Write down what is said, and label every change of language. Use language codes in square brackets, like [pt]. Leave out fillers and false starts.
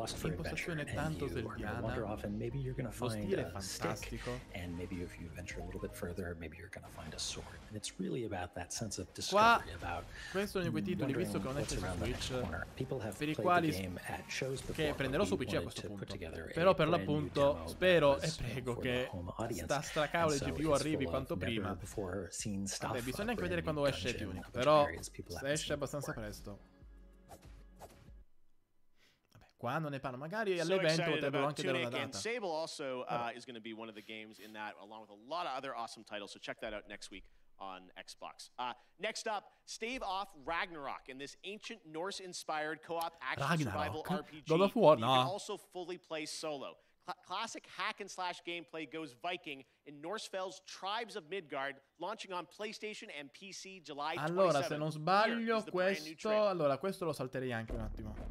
[it] L'impostazione è tanto selviana, lo stile è fantastico, qua questo è uno di quei titoli, visto che non è su Switch, per i quali che prenderò su PC a questo punto, però per l'appunto spero e prego che sta stracavole di GPU arrivi quanto prima. Vabbè, bisogna anche vedere quando esce Tunic, però se esce abbastanza presto. Qua non ne parlo, magari all'evento potrebbero anche dare una data. [en] And Sable also is going to be one of the games in that, along with a lot of other awesome titles, so check that out next week on Xbox. Next up, stave off Ragnarok in this ancient Norse-inspired co-op action survival RPG. God of War, no. You can also fully play solo. Classic hack and slash gameplay goes Viking in Norse Fell's Tribes of Midgard, launching on PlayStation and PC July 27th. [it] Allora, se non sbaglio, questo, allora questo lo salterei anche un attimo.